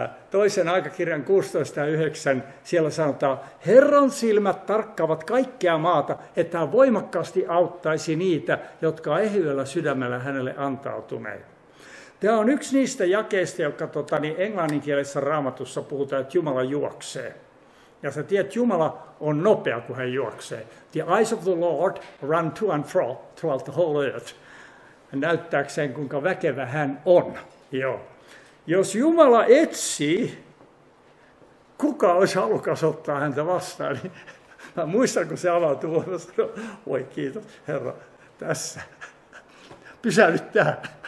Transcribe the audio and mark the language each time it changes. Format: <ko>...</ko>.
<fi>Toisen aikakirjan 16.9. siellä sanotaan, Herran silmät tarkkaavat kaikkea maata, että hän voimakkaasti auttaisi niitä, jotka ehyellä sydämellä hänelle antautuneet. Tämä on yksi niistä jakeista, jotka englanninkielisessä Raamatussa puhutaan, että Jumala juoksee. Ja sä tiedät, Jumala on nopea, kun hän juoksee.</fi> <en>The eyes of the Lord run to and fro throughout the whole earth.</en> <fi>Näyttääkseen, kuinka väkevä hän on. Joo. Jos Jumala etsii, kuka olisi halukas ottaa häntä vastaan? Mä muistan, kun se avautuu, mä sanon, voi kiitos Herra, tässä. Pysäyt tähän.</fi>